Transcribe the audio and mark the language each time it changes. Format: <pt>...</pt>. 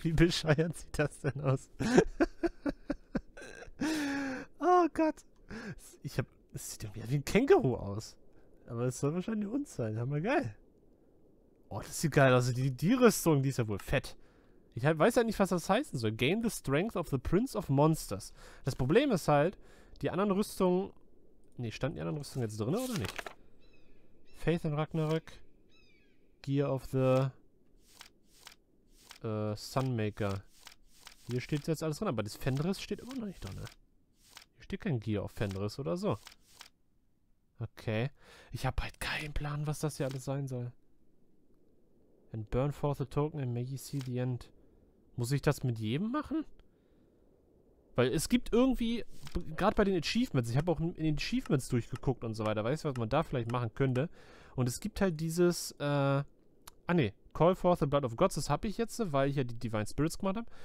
<de>Wie bescheuert sieht das denn aus? Oh Gott. Ich hab. Es sieht irgendwie wie ein Känguru aus. Aber es soll wahrscheinlich uns sein. Hammer geil. Oh, das sieht geil aus. Also die Rüstung, die ist ja wohl fett. Ich halt, weiß ja nicht, was das heißen soll.</de> <en>Gain the strength of the Prince of Monsters.</en> <de>Das Problem ist halt, die anderen Rüstungen. Nee, standen die anderen Rüstungen jetzt drin oder nicht? Faith in Ragnarök. Gear of the. Sunmaker. Hier steht jetzt alles drin, aber das Fenris steht immer noch nicht drin. Steht kein Gear auf Fenris oder so. Okay. Ich habe halt keinen Plan, was das hier alles sein soll.</de> <en>And burn forth a token and may you see the end.</en> <de>Muss ich das mit jedem machen? Weil es gibt irgendwie, gerade bei den Achievements, ich habe auch in den Achievements durchgeguckt und so weiter, weißt du, was man da vielleicht machen könnte? Und es gibt halt dieses,</de> <en>Call forth the Blood of Gods,</en> <de>das habe ich jetzt, weil ich ja die Divine Spirits gemacht habe.</de>